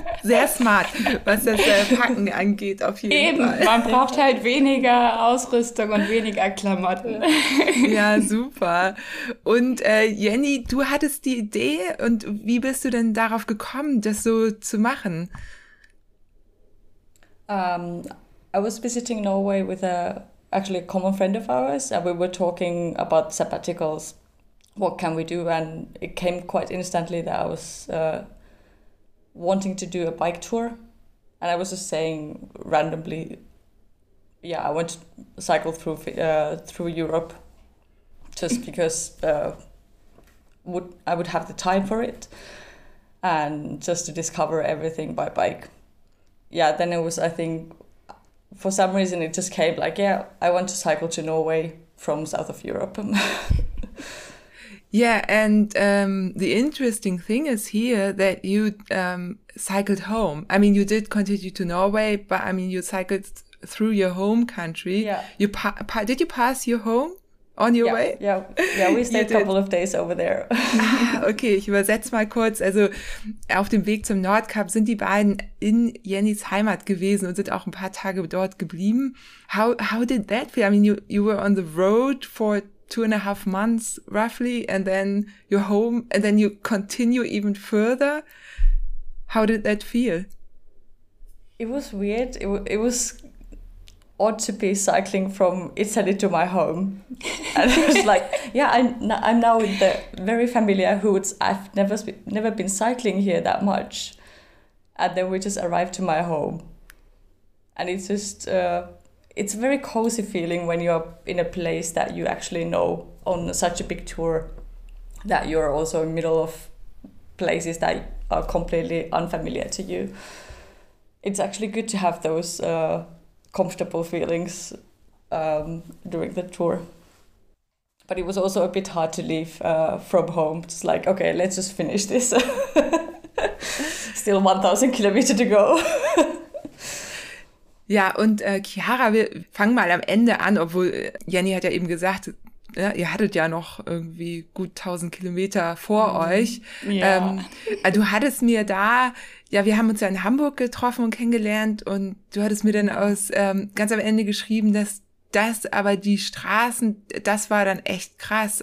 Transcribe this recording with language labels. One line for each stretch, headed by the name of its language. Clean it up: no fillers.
German: Sehr smart, was das Packen angeht auf jeden Eben, Fall. Eben, man braucht halt weniger Ausrüstung und weniger Klamotten. Ja, super. Und Jenny, du hattest die Idee und wie bist du denn darauf gekommen, das so zu machen?
English: I was visiting Norway with actually a common friend of ours, and we were talking about sabbaticals, what can we do, and it came quite instantly that I was wanting to do a bike tour, and I was just saying randomly, yeah, I want to cycle through Europe, just because I would have the time for it, and just to discover everything by bike. Yeah, then it was, I think, for some reason, it just came like, yeah, I want to cycle to Norway from south of Europe. Yeah, and the interesting thing is here that you cycled home. I mean, you did continue to Norway, but I mean, you cycled through your home country. Yeah. You did you pass your home on your way? Yeah, we stayed a couple of days over there.
German: Okay, ich übersetze mal kurz. Also auf dem Weg zum Nordkap sind die beiden in Jennys Heimat gewesen und sind auch ein paar Tage dort geblieben.
English: How did that feel? I mean, you were on the road for 2.5 months roughly, and then you're home, and then you continue even further. How did that feel? It was weird. It was odd to be cycling from Italy to my home. And it was like, yeah, I'm now in the very familiar hoods. I've never been cycling here that much. And then we just arrived to my home. And it's just, it's a very cozy feeling when you're in a place that you actually know on such a big tour, that you're also in the middle of places that are completely unfamiliar to you. It's actually good to have those comfortable feelings during the tour. But it was also a bit hard to leave from home. Just like, okay, let's just finish this. Still 1,000 kilometers to go.
German: Ja, und Chiara, wir fangen mal am Ende an, obwohl Jenny hat ja eben gesagt, ja, ihr hattet ja noch irgendwie gut 1000 Kilometer vor euch. Ja. Du hattest mir da, ja, wir haben uns ja in Hamburg getroffen und kennengelernt und du hattest mir dann aus ganz am Ende geschrieben, dass das aber die Straßen, das war dann echt krass.